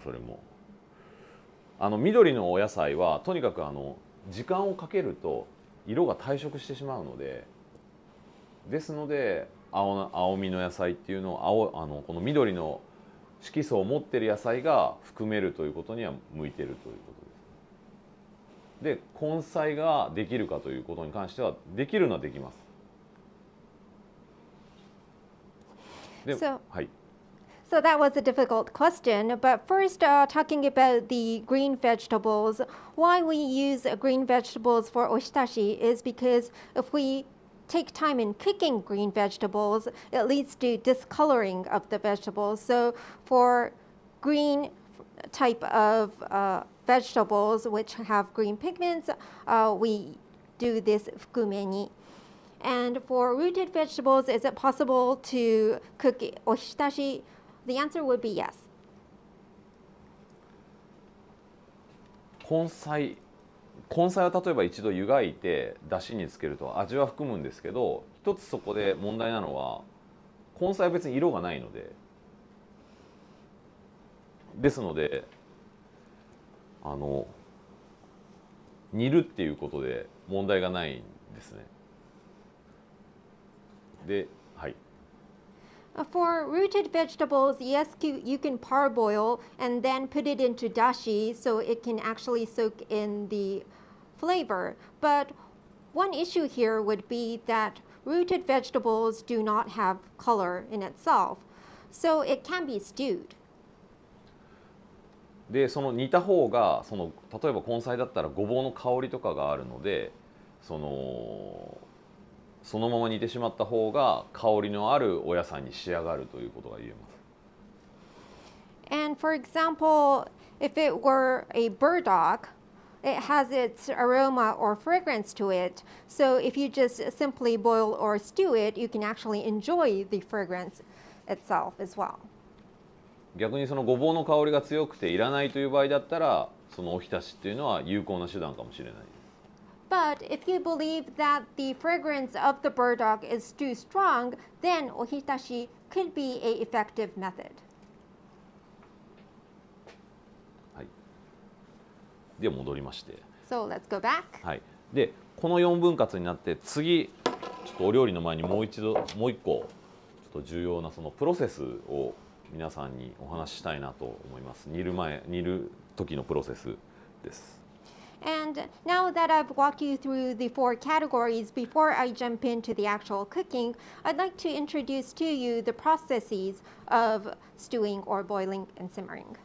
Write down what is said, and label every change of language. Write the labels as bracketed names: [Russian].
[Japanese] それも緑のお野菜はとにかく時間をかけると色が退色してしまうので、ですので青みの野菜っていうのを青この緑の色素を持っている野菜が含めるということには向いているということです。で、根菜ができるかということに関してはできるのはできます。で、 so, はい。 [English] So that was a difficult question, but first, talking about the green vegetables, why we use green vegetables for oshitashi is because if weTake time in cooking green vegetables, it leads to discoloring of the vegetables. So, for green type of vegetables which have green pigments, we do this fukumeni. And for rooted vegetables, is it possible to cook oshitashi? The answer would be yes. [Japanese] 根菜根菜は例えば一度湯がいて出汁につけると味は含むんですけど、一つそこで問題なのは根菜は別に色がないので、ですので煮るっていうことで問題がないんですね。で、はい。 [English] For rooted vegetables, yes, you can parboil and then put it into dashi so it can actually soak in the flavor. But one issue here would be that rooted vegetables do not have color in itself, so it can be stewed. [Japanese] で、その煮た方が、その例えば根菜だったらごぼうの香りとかがあるので、そのまま煮てしまった方が香りのあるお野菜に仕上がるということが言えます。 [English] And for example, if it were a burdock, it has its aroma or fragrance to it. So if you just simply boil or stew it, you can actually enjoy the fragrance itself as well. [Japanese] 逆にそのごぼうの香りが強くていらないという場合だったら、そのおひたしっていうのは有効な手段かもしれない。 [English] But if you believe that the fragrance of the burdock is too strong, then ohitashi could be an effective method. [Japanese] はい。では戻りまして。 [English] So let's go back. はい。 [Japanese] で、この4分割になって次、ちょっとお料理の前にもう一個、ちょっと重要なそのプロセスを皆さんにお話ししたいなと思います。煮る時のプロセスです。 [English] And now that I've walked you through the four categories, before I jump into the actual cooking, I'd like to introduce to you the processes of stewing or boiling and simmering.